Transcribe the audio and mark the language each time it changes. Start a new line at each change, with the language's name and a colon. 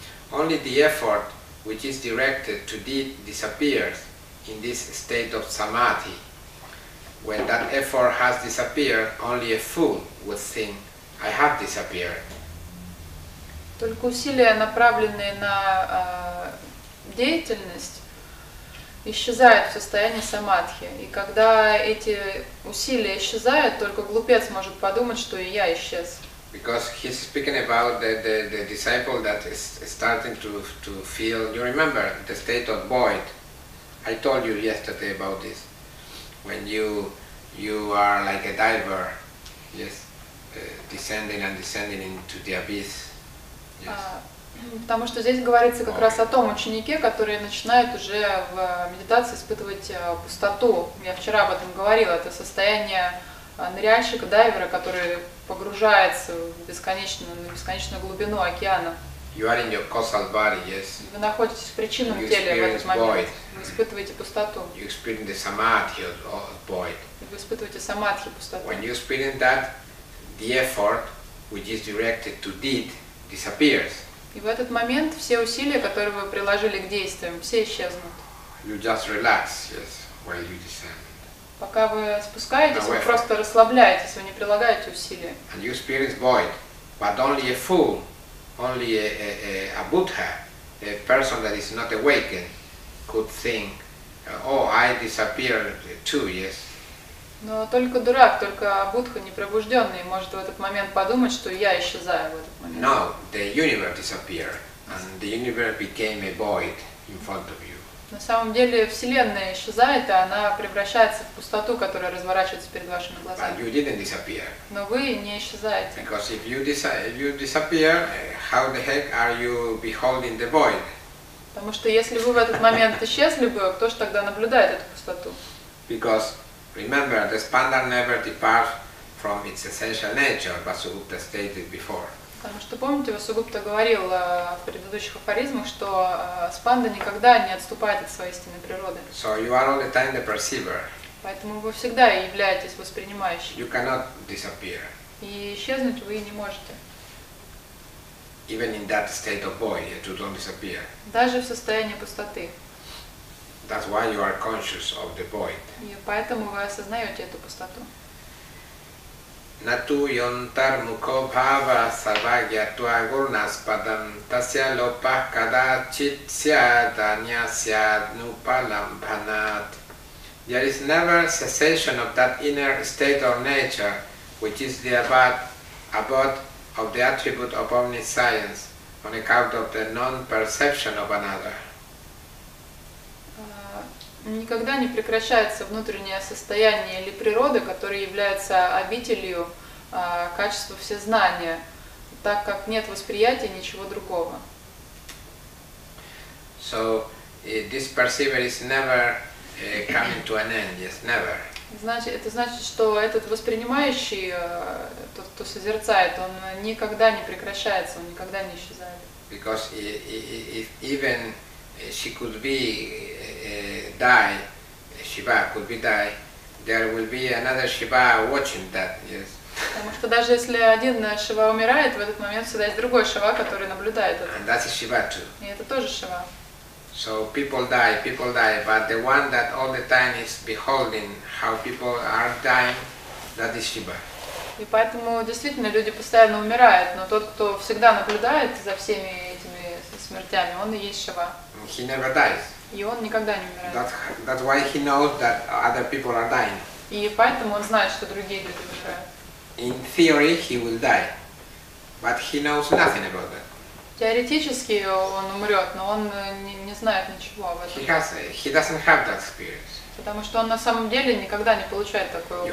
English: Only the effort which is directed to deed disappears in this state of samadhi. When that effort has disappeared, only a fool would think, I have disappeared.
Russian: Только усилия, направленные на деятельность, исчезает в состоянии самадхи. И когда эти усилия исчезают, только глупец может подумать, что и я исчез.
English: Because he's speaking about the disciple that is starting to feel, you remember, the state of void. I told you yesterday about this. When you are like a diver, yes, descending and descending into the abyss. Yes.
Russian: Потому что здесь говорится как раз о том ученике, который начинает уже в медитации испытывать пустоту. Я вчера об этом говорила. Это состояние ныряльщика, дайвера, который погружается в бесконечную, на бесконечную глубину океана.
English: You are in your causal body, yes.
Russian: Вы находитесь в причинном теле в этот момент. Вы испытываете пустоту.
English: You experience the samadhi of void.
Russian: Вы испытываете самадхи пустоту.
English: When you experience that, the effort, which is directed to deed, disappears.
Russian: И в этот момент все усилия, которые вы приложили к действиям, все исчезнут.
English: You just relax, yes, while you descend.
Russian: Пока вы спускаетесь, вы просто расслабляетесь, вы не прилагаете усилия.
English: And you experience void, but only a fool, only a Buddha, a person that is not awakened, could think, oh, I disappeared too, yes.
Russian: Но только дурак, только Будха непробужденный может в этот момент подумать, что я исчезаю в этот момент.
English: No, the universe disappeared, and the universe became a void in front of you.
Russian: На самом деле Вселенная исчезает, и она превращается в пустоту, которая разворачивается перед вашими глазами.
English: But you didn't disappear.
Russian: Но вы не исчезаете.
English: Because if you disappear, how the heck are you beholding the void?
Russian: Потому что если вы в этот момент исчезли бы, кто ж тогда наблюдает эту пустоту?
English: Because remember, the spandar never departs from its essential nature, Vasugupta stated before.
Russian: Потому что помните, Васугупта говорил в предыдущих афоризмах, что спанда никогда не отступает от своей истинной природы.
English: So you are all the time the perceiver.
Russian: Поэтому вы всегда являетесь воспринимающим.
English: You cannot disappear.
Russian: И исчезнуть вы не можете.
English: Even in that state of void, you don't disappear.
Russian: Даже в состоянии пустоты.
English: That's why you are conscious of the void.
Russian: И поэтому вы осознаете эту пустоту.
Sanskrit: Нату йонтар муко бхава сарвагья туа гурнас падам тася лопах кадачит сяд анья сяд нупалам бханат.
English: There is never cessation of that inner state or nature which is the abode of the attribute of omniscience on account of the non-perception of another.
Russian: Никогда не прекращается внутреннее состояние или природа, которая является обителью качества всезнания, так как нет восприятия ничего другого.
English: So this perceiver is never coming to an end, yes, never.
Russian: Это значит, что этот воспринимающий, тот, кто созерцает, он никогда не прекращается, он никогда не исчезает.
English: Because if even she could be die, Shiva could be die, there will be another Shiva watching that, yes.
Russian: Потому что даже если один Шива умирает, в этот момент всегда есть другой Шива, который наблюдает это.
English: And that's a Shiva too.
Russian: И это тоже Шива.
English: So people die, but the one that all the time is beholding how people are dying, that is Shiva.
Russian: И поэтому действительно люди постоянно умирают, но тот, кто всегда наблюдает за всеми этими смертями, он и есть Шива.
English: He never dies.
Russian: И он никогда не умирает.
English: That's why he knows that other people are dying.
Russian: И поэтому он знает, что другие люди умирают.
English: In theory, he will die, but he knows nothing about that.
Russian: Теоретически он умрет, но он не знает ничего об этом.
English: He doesn't have that experience.
Russian: Потому что он на самом деле никогда не получает такой опыт.